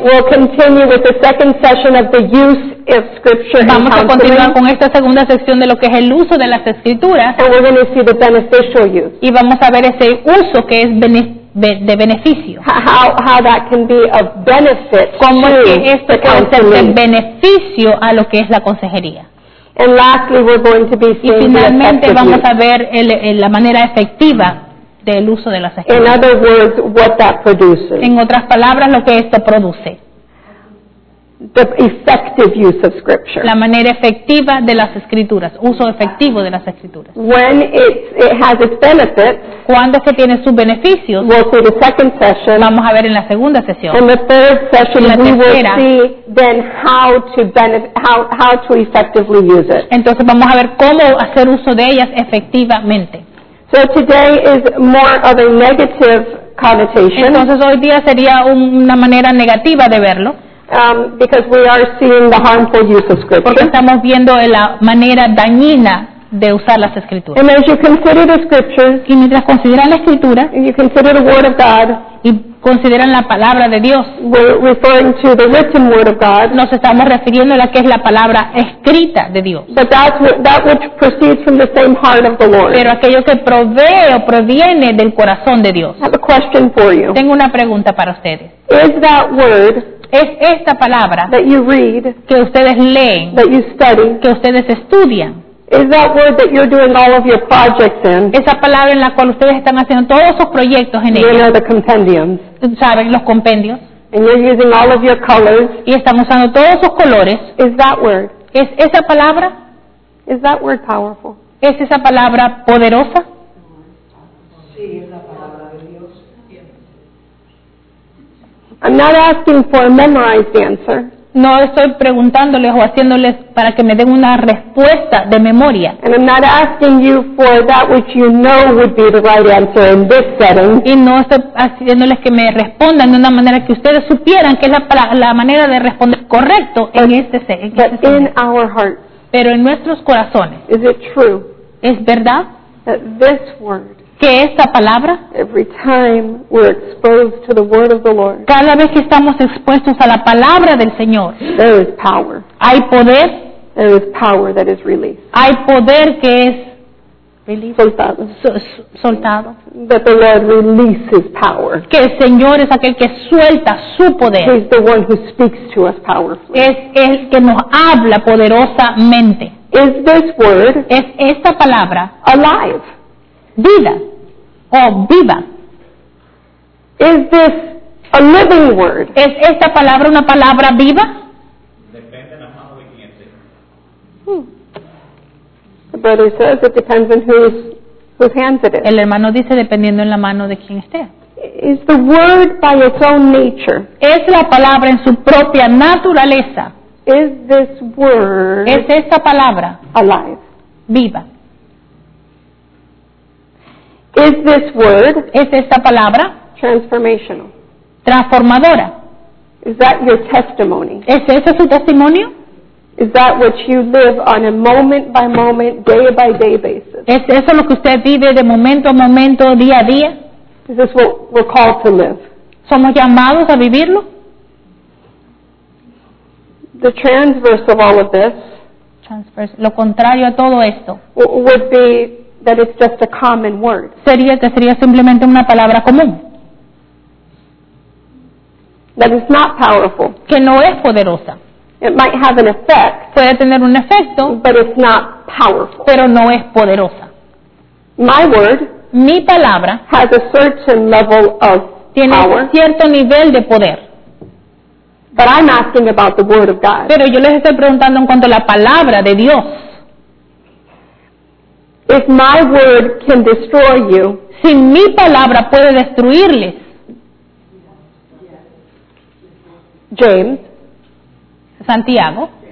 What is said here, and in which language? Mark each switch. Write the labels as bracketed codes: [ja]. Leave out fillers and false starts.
[en] we'll continue with the second session of the use of scripture. [es] Vamos a continuar con esta segunda sección de lo que es el uso de las escrituras. [en] And we're going to see the beneficial use. [es] Y vamos a ver ese uso que es de beneficio. [en] How that can be of benefit. [es] Cómo es que esto puede ser de beneficio a lo que es la consejería. [en] And lastly, we're going to be seeing. [es] Y finalmente vamos a ver la manera efectiva del uso de las escrituras. [en] In other words, what that produces. [es] En otras palabras, lo que esto produce. [en] The effective use of scripture. [es] La manera efectiva de las escrituras, uso efectivo de las escrituras. [en] When it has its benefits. [es] Cuando es que tiene sus beneficios. [en] We'll see the second session. [es] Vamos a ver en la segunda sesión. [en] In the third session, [es] la tercera, [en] we will see then how to effectively use it. [es] Entonces vamos a ver cómo hacer uso de ellas efectivamente. [en] So today is more of a negative connotation. [es] Entonces hoy día sería una manera negativa de verlo. [en] Because we are seeing the harmful use of scripture. [es] Porque estamos viendo la manera dañina de usar las escrituras. [en] And as you consider the scriptures, [es] y mientras consideran la escritura, [en] you consider the word of God, [es] y consideran la palabra de Dios, [en] we're referring to the written word of God, [es] nos estamos refiriendo a la que es la palabra escrita de Dios. [en] But that which proceeds from the same heart of the Lord. [es] Pero aquello que provee o proviene del corazón de Dios. [en] I have a question for you. [es] Tengo una pregunta para ustedes. [en] Is that word? [es] Es esta palabra [en] that you read, [es] que ustedes leen, [en] that you study, [es] que ustedes estudian. [en] Is that word that you're doing all of your projects in? [es] Esa palabra en la cual ustedes están haciendo todos sus proyectos en ella. [en] You know the compendiums. [es] ¿Saben los compendios? [en] And you're using all of your colors. [es] Y están usando todos sus colores. [en] Is that word? [es] ¿Es esa palabra? [en] Is that word powerful? [es] ¿Es esa palabra poderosa? [en] I'm not asking for a memorized answer. [es] No estoy preguntándoles o haciéndoles para que me den una respuesta de memoria. [en] And I'm not asking you for that which you know would be the right answer in this setting. [es] Y no estoy haciéndoles que me respondan de una manera que ustedes supieran que es la manera de responder correcto en este setting. [en] But in our hearts. [es] Pero en nuestros corazones. [en] Is it true? [es] ¿Es verdad? [en] That this word. [es] Que esta palabra, [en] every time we're exposed to the word of the Lord, [es] cada vez que estamos expuestos a la palabra del Señor, [en] there is power. [es] Hay poder. [en] There is power that is released. [es] Hay poder que es [en] soltado. That the Lord releases power. [es] Que el Señor es aquel que suelta su poder. [en] He's the one who speaks to us powerfully. [es] Es el que nos habla poderosamente. [en] Is this word? [es] Es esta palabra [en] alive? [es] Vida o viva. [en] Is this a living word? [es] ¿Es esta palabra una palabra viva? Depende en amado de quien sea. [en] The brother says it depends on whose hands it is. [es] El hermano dice dependiendo en la mano de quien esté. [en] Is the word by its own nature? [es] ¿Es la palabra en su propia naturaleza? [en] Is this word? [es] ¿Es esta palabra [en] alive? [es] Viva. [en] Is this word? [es] ¿Es esta palabra? [en] Transformational. [es] Transformadora. [en] Is that your testimony? [es] ¿Es ese su testimonio? [en] Is that what you live on a moment by moment, day by day basis? [es] ¿Es eso lo que usted vive de momento a momento, día a día? [en] Is this what we're called to live? [es] ¿Somos llamados a vivirlo? [en] The transverse of all of this. [es] Transverse. Lo contrario a todo esto. [en] Would be that it's just a common word. [es] Sería que sería simplemente una palabra común. [en] That is not powerful. [es] Que no es poderosa. [en] It might have an effect. [es] Puede tener un efecto. [en] But it's not powerful. [es] Pero no es poderosa. [en] My word. [es] mi palabra [en] has a certain level of [es] tiene [en] power, [es] cierto nivel de poder. [en] But I'm asking about the word of God. [es] Pero yo les estoy preguntando en cuanto a la palabra de Dios. [en] If my word can destroy you, [es] si mi palabra puede destruirles, [en] James, [es] Santiago,